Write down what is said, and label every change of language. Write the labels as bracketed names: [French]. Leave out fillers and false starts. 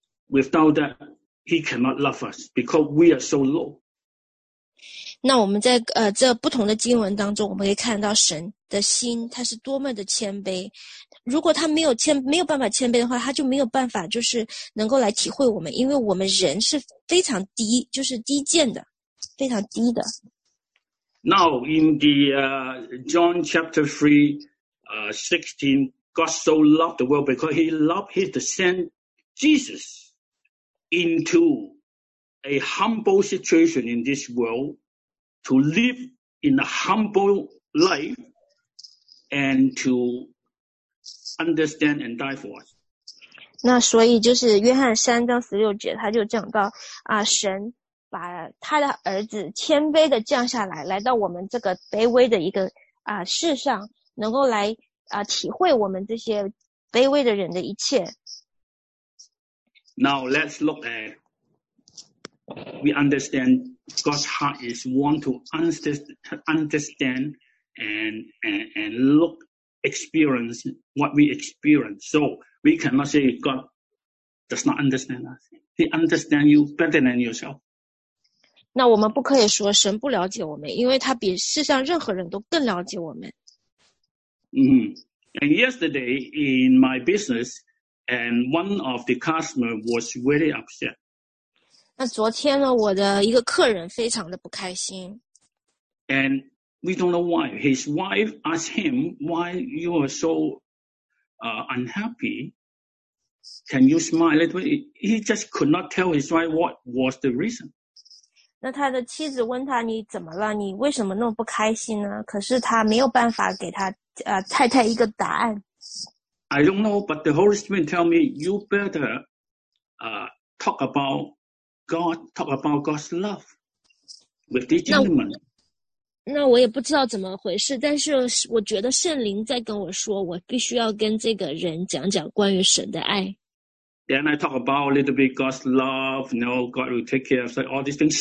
[English] Without that, He cannot love us because we are so low. [Chinese] 那我们在这不同的经文当中，我们可以看到神的心，他是多么的谦卑。如果他没有办法谦卑的话，他就没有办法就是能够来体会我们，因为我们人是非常低，就是低贱的，非常低的。 [English] Now in the John chapter 3, 16, God so loved the world because He loved His Son Jesus into a humble situation in this world to live in a humble life and to understand and die for us. [Chinese] 那所以就是约翰三章十六节，他就讲到啊，神把他的儿子谦卑的降下来，来到我们这个卑微的一个世上，能够来体会我们这些卑微的人的一切。 [English] Now let's look at. We understand God's heart is want to understand and look. Experience what we experience, so we cannot say God does not understand us. He understands you better than yourself. [Chinese] 那我们不可以说神不了解我们，因为他比世上任何人都更了解我们。 Mm-hmm. [English] And yesterday in my business, and one of the customers was really upset. [Chinese] 那昨天呢，我的一个客人非常的不开心。 [English] And. We don't know why. His wife asked him, why you are so unhappy? Can you smile a little bit? He just could not tell his wife what was the reason. [Chinese] 那他的妻子问他你怎么了，你为什么那么不开心呢，可是他没有办法给他太太一个答案。 [English] I don't know, but the Holy Spirit tell me, you better talk about God, talk about God's love with this gentleman. [Chinese] 那我也不知道怎么回事，但是我觉得圣灵在跟我说，我必须要跟这个人讲讲关于神的爱。 [English] Then I talk about a little bit God's love, you know, God will take care of us, all these things.